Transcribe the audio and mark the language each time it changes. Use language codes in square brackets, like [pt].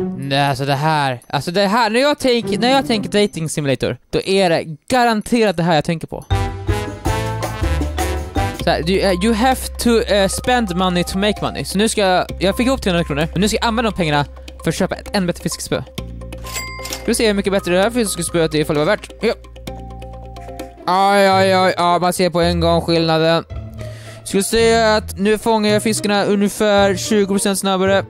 [sv] Nej, alltså det här när jag tänker dating simulator, då är det garanterat det här jag tänker på. Så här, [en] you have to spend money to make money. [sv] Så nu ska jag fick ihop 300 kronor. Men nu ska jag använda de pengarna för att köpa ett ännu bättre fiskespö. Ska vi se hur mycket bättre det här fiskespöet är ifall det var värt. Ja. Aj, man ser på en gång skillnaden. Skulle säga att nu fångar jag fiskarna ungefär 20% snabbare.